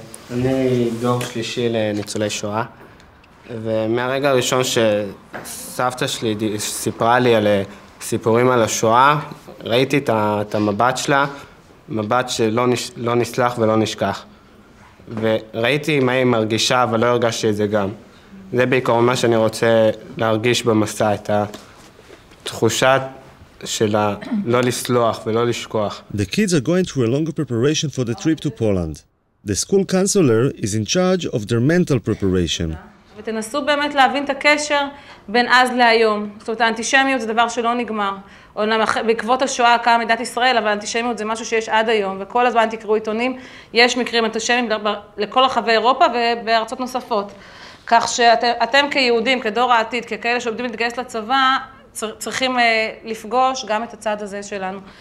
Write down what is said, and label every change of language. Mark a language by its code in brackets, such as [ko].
[he] אני דור שלישי לניצולי שואה. ומהרגע הראשון שסבתא שלי סיפרה לי על סיפורים על השואה, ראיתי את המבט שלה. מבט שלא לא נסלח ולא נשכח. וראיתי מה היא מרגישה, אבל לא הרגשתי את זה גם. זה בעיקר מה שאני רוצה להרגיש במסע, את התחושה של לא לסלוח ולא לשכוח. [en] The kids are going through a longer preparation for the trip to Poland. The school counselor is in charge of their mental preparation. [he] ותנסו באמת להבין את הקשר בין אז להיום. זאת אומרת, האנטישמיות זה דבר שלא נגמר. אומנם בעקבות השואה קמה מדינת ישראל, אבל האנטישמיות זה משהו שיש עד היום. וכל הזמן תקראו עיתונים, יש מקרים אנטישמיים לכל רחבי אירופה ובארצות נוספות. כך שאתם כיהודים, כדור העתיד, ככאלה שעומדים להתגייס לצבא, צריכים לפגוש גם את הצד הזה שלנו.